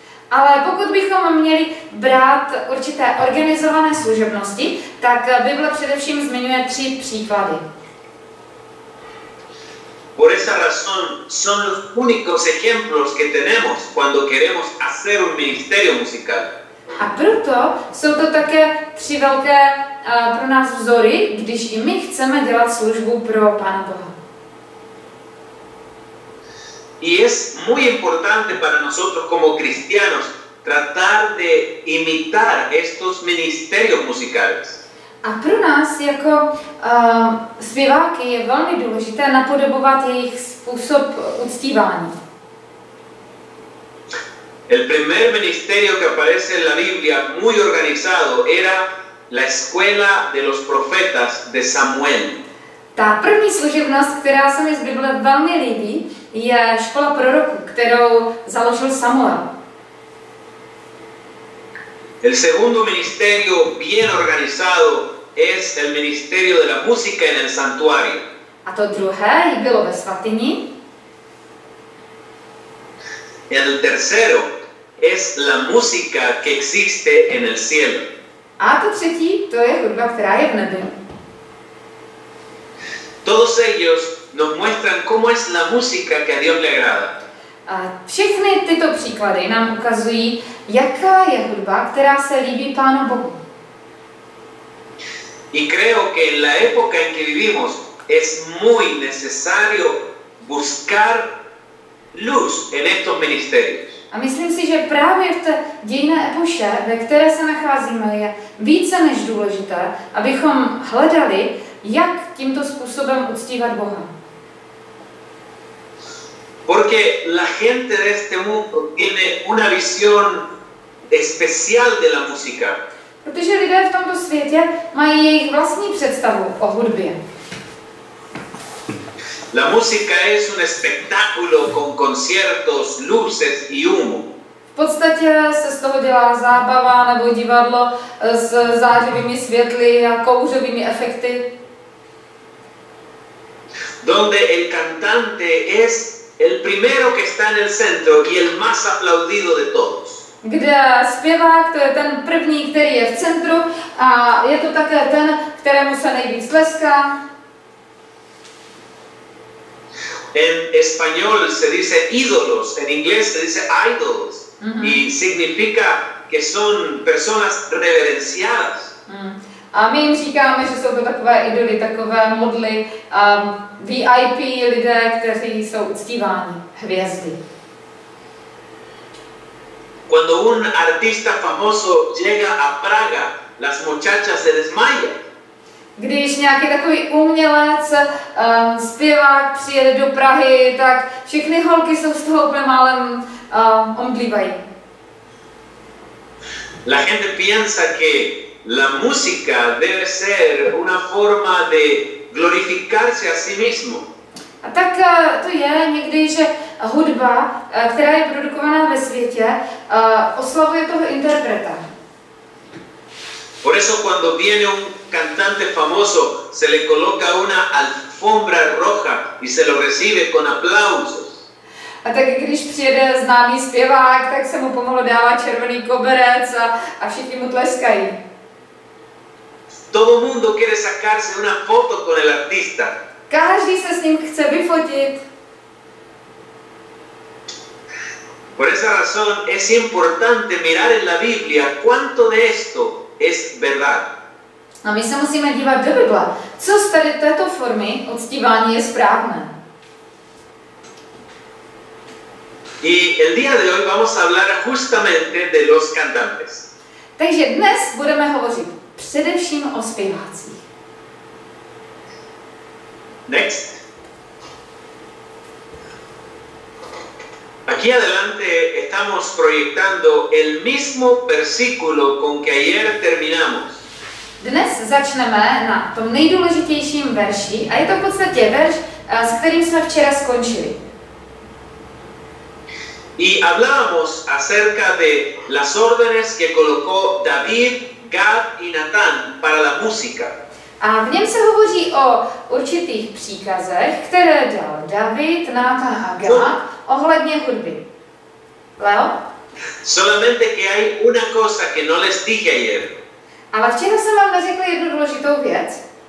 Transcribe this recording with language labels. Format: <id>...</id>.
<cs>Ale pokud bychom měli brát určité organizované služebnosti, tak Bible především zmiňuje tři příklady.</cs> <es>Por esa razón son los únicos ejemplos que tenemos cuando queremos hacer un ministerio musical.</es> <cs>A proto jsou to také tři velké pro nás vzory, když i my chceme dělat službu pro Pána Boha.</cs> <es>Y es muy importante para nosotros como cristianos tratar de imitar estos ministerios musicales.</es> <cs>A pro nás jako zpěváky je velmi důležité napodobovat jejich způsob uctívání.</cs> <es>El primer ministerio que aparece en la Biblia muy organizado era la escuela de los profetas de Samuel.</es> <cs>Ta první služebnost, která se mi z Bible velmi líbí, je škola proroků, kterou založil Samuel.</cs> <es>El segundo ministerio bien organizado es el ministerio de la música en el santuario.</es> <cs>A to druhé bylo ve svatyni.</cs> <es>El tercero es la música que existe en el cielo.</es> <cs>A to třetí, to je hudba, která je v nebi.</cs> <es>Todos ellos nos muestran cómo es la música que a Dios le agrada.</es> <cs>Všechny tyto příklady nám ukazují, jaká je hudba, která se líbí Pánu Bohu.</cs> <es>Y creo que en la época en que vivimos es muy necesario buscar luz en estos ministerios.</es> <cs>A myslím si, že právě v té dějinné epoše, ve které se nacházíme, je více než důležité, abychom hledali, jak tímto způsobem uctívat Boha.</cs> <es>Porque la gente de este mundo tiene una visión especial de la música.</es> <cs>Protože lidé v tomto světě mají jejich vlastní představu o hudbě.</cs> <es>La música es un espectáculo con conciertos, luces y humo.</es> <cs>V podstatě se z toho dělá zábava nebo divadlo s zářivými světly a kouřovými efekty.</cs> <es>Donde el cantante es el primero que está en el centro y el más aplaudido de todos.</es> <cs>Kde zpěvák, to je ten první, který je v centru a je to také ten, kterému se nejvíc tleská.</cs> <es>En español se dice ídolos, en inglés se dice idols, uh-huh. Y significa que son personas reverenciadas.</es> <cs>A my jim říkáme, že jsou to takové idoly, takové modly, VIP lidé, kteří jsou uctíváni, hvězdy.</cs> <es>Cuando un artista famoso llega a Praga, las muchachas se desmayan.</es> <cs>Když nějaký takový umělec, zpěvák přijede do Prahy, tak všechny holky jsou z toho úplně málem omdlívají.</cs> <es>La gente piensa que la música debe ser una forma de glorificarse a sí mismo.</es> <cs>A tak to je někdy, že hudba, která je produkovaná ve světě, oslavuje toho interpreta.</cs> <es>Por eso cuando viene un cantante famoso, se le coloca una alfombra roja y se lo recibe con aplausos.</es> <cs>A tak když přijede známý zpěvák, tak se mu pomalu dává červený koberec a všichni mu tleskají.</cs> <es>Todo mundo quiere sacarse una foto con el artista.</es> <cs>Každý se s ním chce vyfotit.</cs> <es>Por esa razón es importante mirar en la Biblia cuánto de esto es verdad.</es> <cs>A my se musíme dívat do Bible, co z tady této formy uctívání je správné.</cs> <es>Y el día de hoy vamos a hablar justamente de los cantantes.</es> <cs>Takže dnes budeme hovořit především o zpěvácích.</cs> <en>Next.</en> <es>Aquí adelante estamos proyectando el mismo versículo con que ayer terminamos.</es> <cs>Dnes začneme na tom nejdůležitějším verši a je to v podstatě verš, s kterým jsme včera skončili.</cs> <es>Y hablábamos acerca de las órdenes que colocó David, Gad y Natán para la música.</es> <cs>A v něm se hovoří o určitých příkazech, které dal David, Natán a Gad ohledně hudby.</cs> <es>Leo? Solamente que hay una cosa que no les dije ayer.</es> <cs>Ale včera jsem vám neřekl jednu důležitou věc.</cs>